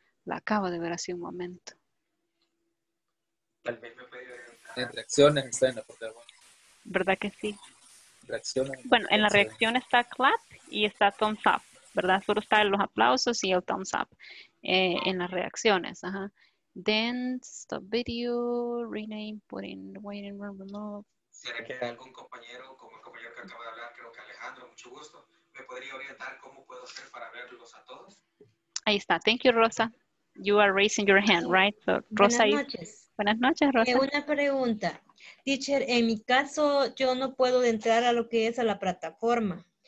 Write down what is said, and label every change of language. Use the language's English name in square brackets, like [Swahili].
[Spanish] La acabo de ver hace un momento. Tal vez me puede ver. En reacciones está en la parte de abajo. ¿Verdad que sí? Reacciones. Bueno, en la reacción está clap y está thumbs up, ¿verdad? Solo está en los aplausos y el thumbs up en las reacciones. Ajá. [English] Then stop video, rename, put in waiting room remote. [Spanish] ¿Será que algún compañero, como el compañero que acaba de hablar, creo que Alejandro, mucho gusto, me podría orientar cómo puedo hacer para verlos a todos? Ahí está. [English] Thank you, Rosa. You are raising your hand, right? So, Rosa, [Spanish] buenas noches. Buenas noches, Rosa. Una pregunta. Teacher, en mi caso, yo no puedo entrar a lo que es a la plataforma.